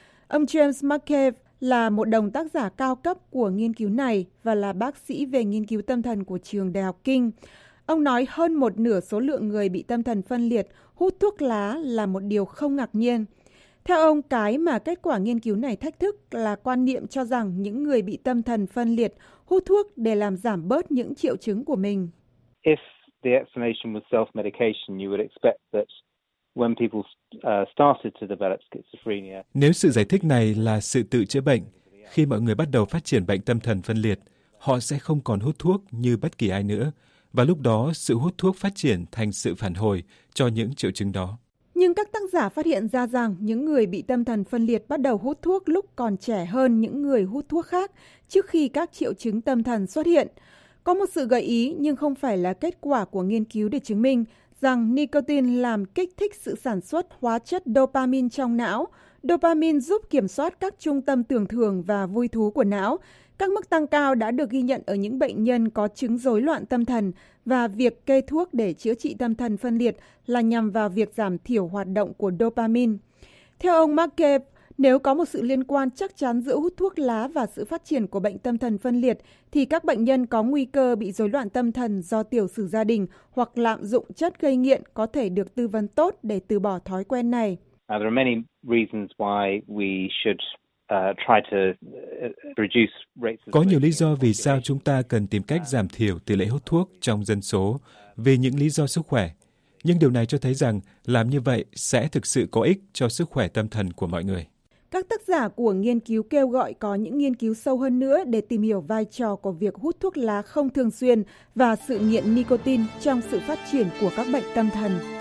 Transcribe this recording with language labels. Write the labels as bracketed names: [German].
[Vietnamese] Ông James McCabe là một đồng tác giả cao cấp của nghiên cứu này và là bác sĩ về nghiên cứu tâm thần của trường Đại học King. Ông nói hơn một nửa số lượng người bị tâm thần phân liệt hút thuốc lá là một điều không ngạc nhiên. Theo ông, cái mà kết quả nghiên cứu này thách thức là quan niệm cho rằng những người bị tâm thần phân liệt hút thuốc để làm giảm bớt những triệu chứng của mình. [English] If the explanation was self-medication, you would expect that when people started to develop schizophrenia. [Vietnamese] Nếu sự giải thích này là sự tự chữa bệnh, khi mọi người bắt đầu phát triển bệnh tâm thần phân liệt, họ sẽ không còn hút thuốc như bất kỳ ai nữa, và lúc đó sự hút thuốc phát triển thành sự phản hồi cho những triệu chứng đó. Nhưng các tác giả phát hiện ra rằng những người bị tâm thần phân liệt bắt đầu hút thuốc lúc còn trẻ hơn những người hút thuốc khác trước khi các triệu chứng tâm thần xuất hiện. Có một sự gợi ý nhưng không phải là kết quả của nghiên cứu để chứng minh rằng nicotine làm kích thích sự sản xuất hóa chất dopamine trong não. Dopamine giúp kiểm soát các trung tâm tưởng thưởng và vui thú của não. Các mức tăng cao đã được ghi nhận ở những bệnh nhân có chứng rối loạn tâm thần và việc kê thuốc để chữa trị tâm thần phân liệt là nhằm vào việc giảm thiểu hoạt động của dopamine. Theo ông McCabe, nếu có một sự liên quan chắc chắn giữa hút thuốc lá và sự phát triển của bệnh tâm thần phân liệt, thì các bệnh nhân có nguy cơ bị rối loạn tâm thần do tiểu sử gia đình hoặc lạm dụng chất gây nghiện có thể được tư vấn tốt để từ bỏ thói quen này. [English] There are many reasons why we should try to reduce rates. [Vietnamese] Có nhiều lý do vì sao chúng ta cần tìm cách giảm thiểu tỷ lệ hút thuốc trong dân số vì những lý do sức khỏe. Nhưng điều này cho thấy rằng làm như vậy sẽ thực sự có ích cho sức khỏe tâm thần của mọi người. Các tác giả của nghiên cứu kêu gọi có những nghiên cứu sâu hơn nữa để tìm hiểu vai trò của việc hút thuốc lá không thường xuyên và sự nghiện nicotine trong sự phát triển của các bệnh tâm thần.